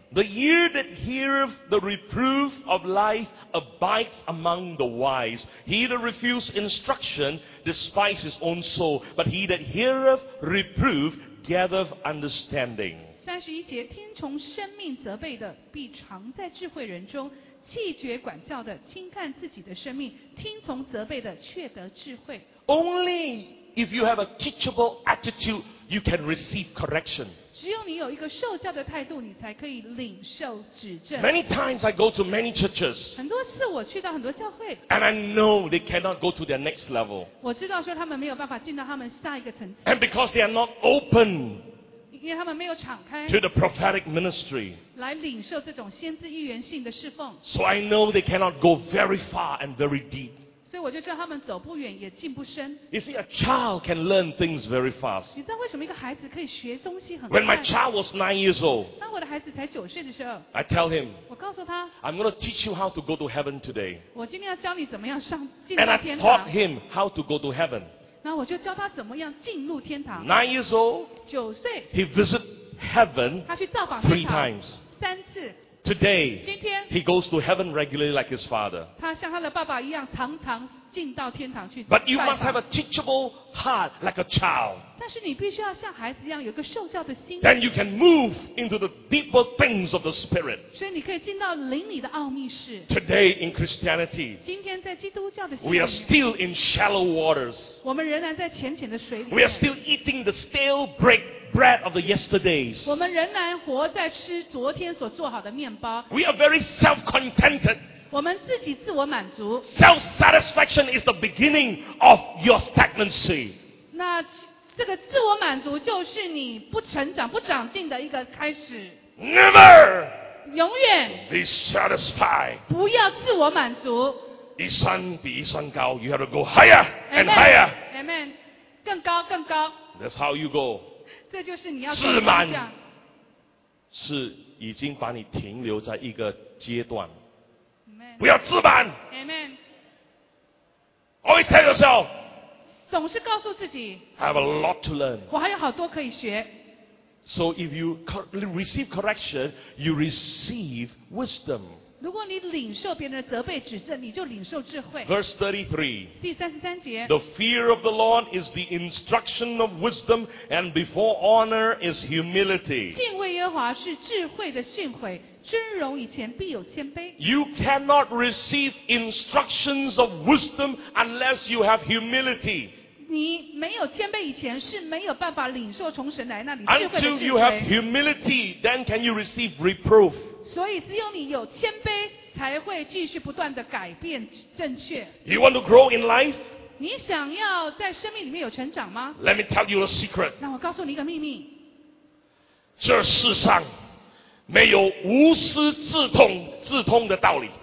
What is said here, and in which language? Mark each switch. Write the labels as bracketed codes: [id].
[en] The ear that heareth the reproof of life abides among the wise. He that refuses instruction despises his own soul. But he that heareth reproof gathereth understanding. [zh] 三十一节，听从生命责备的，必常在智慧人中；弃绝管教的，轻看自己的生命；听从责备的，却得智慧。 [en] Only if you have a teachable attitude, you can receive correction. [zh] 只有你有一个受教的态度，你才可以领受指正。 [en] Many times I go to many churches. [zh] 很多次我去到很多教会。 [en] And I know they cannot go to their next level. [zh] 我知道说他们没有办法进到他们下一个层次。 [en] And because they are not open. [zh] 因为他们没有敞开 [en] to the prophetic ministry, [zh] 来领受这种先知预言性的侍奉 [en] so I know they cannot go very far and very deep. [zh] 所以我就知道他们走不远也进不深 [en] You see, a child can learn things very fast. [zh] 你知道为什么一个孩子可以学东西很快 [en] When my child was 9 years old, [zh] 当我的孩子才九岁的时候 [en] I tell him, [zh] 我告诉他 [en] I'm going to teach you how to go to heaven today. [zh] 我今天要教你怎么样上进到天堂 [en] And I taught him how to go to heaven. [zh] 那我就教他怎么样进入天堂。 [en] Nine years old, [zh] 九岁 [en] he visited heaven [zh] 他去造访天堂 [en] three times. [zh] 三次。 [en] Today, [zh] 今天 [en] he goes to heaven regularly like his father. [zh] 他像他的爸爸一样常常进到天堂去。 [en] But you must have a teachable heart like a child. [zh] 但是你必须要像孩子一样有个受教的心。 [en] Then you can move into the deeper things of the spirit. [zh] 所以你可以进到灵里的奥秘室。 [en] Today in Christianity, [zh] 今天在基督教的心里 [en] we are still in shallow waters. [zh] 我们仍然在浅浅的水里。 [en] We are still eating the stale bread of the yesterdays. [zh] 我们仍然活在吃昨天所做好的面包。 [en] We are very self-contented. [zh] 我们自己自我满足。 [en] Self-satisfaction is the beginning of your stagnancy. [zh] 那这个自我满足就是你不成长、不长进的一个开始。 [en] Never. [zh] 永远。 [en] Be satisfied. [zh] 不要自我满足。一山比一山高 [en] ，You have to go higher and higher. [zh] Amen. Amen. 更高，更高。 [en] That's how you go. [zh] 这就是你要自满。是已经把你停留在一个阶段。不要自满。 [en] Amen. Always tell yourself. [zh] 总是告诉自己。 [en] I have a lot to learn. [zh] 我还有好多可以学。 [en] So if you receive correction, you receive wisdom. [zh] 如果你领受别人的责备指正，你就领受智慧。 [en] Verse 33. [zh] 第三十三节。 [en] The fear of the Lord is the instruction of wisdom, and before honor is humility. [zh] 敬畏耶和华是智慧的训诲。尊荣以前必有谦卑。 [en] You cannot receive instructions of wisdom unless you have humility. [zh] 你没有谦卑以前是没有办法领受从神来那里智慧的智慧。 [en] Until you have humility, then can you receive reproof. [zh] 所以只有你有谦卑才会继续不断的改变正确。 [en] You want to grow in life? [zh] 你想要在生命里面有成长吗? [en] Let me tell you a secret. [zh] 那我告诉你一个秘密。这世上没有无师自通自通的道理。